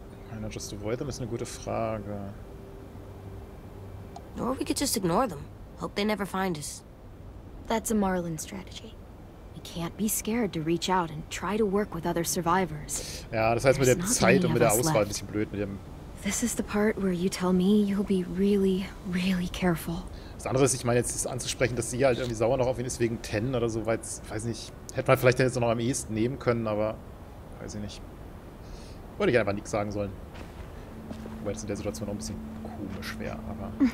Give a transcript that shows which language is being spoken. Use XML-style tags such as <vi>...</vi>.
<en>Why not just avoid them is a good Frage. Or we could just ignore them. Hope they never find us. That's a Marlin strategy. We can't be scared to reach out and try to work with other survivors.</en> <de>Ja, das heißt mit der Zeit und mit der Auswahl ein bisschen blöd mit dem.</de> <en>This is the part where you tell me you'll be really, really careful.</en> <de>Das andere ist, ich meine jetzt ist anzusprechen, dass sie halt irgendwie sauer noch auf ihn ist wegen Ten oder so, weil weiß nicht, hätte man vielleicht jetzt auch noch am ehesten nehmen können, aber weiß ich nicht. Wollte ich einfach nichts sagen sollen. Wobei es in der Situation noch ein bisschen komisch wäre, aber.</de>